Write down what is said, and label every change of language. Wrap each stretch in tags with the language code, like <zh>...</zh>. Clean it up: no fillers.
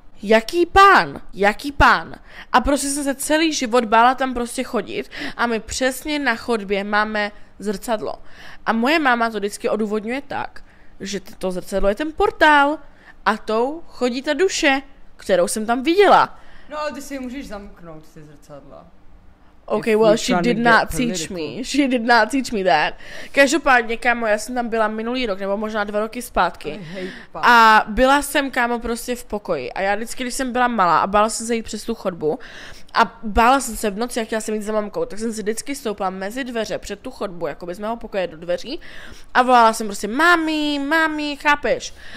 <cs>Jaký pán? Jaký pán? A prostě jsem se celý život bála tam prostě chodit a my přesně na chodbě máme zrcadlo. A moje máma to vždycky odůvodňuje tak, že to zrcadlo je ten portál. A tou chodí ta duše, kterou jsem tam viděla. No ale ty si můžeš zamknout ty zrcadla.</cs> <en>Ok, if well, she did not teach me. She did not teach me that.</en> <cs>Každopádně, kámo, já jsem tam byla minulý rok, nebo možná 2 roky zpátky. A byla jsem, kámo, prostě v pokoji. A já vždycky, když jsem byla malá a bála jsem se jít přes tu chodbu, a bála jsem se v noci, jak chtěla jsem jít za mamkou, tak jsem si vždycky stoupla mezi dveře před tu chodbu, jako by z mého pokoje do dveří, a volala jsem prostě, mami, mami, chápeš?</cs>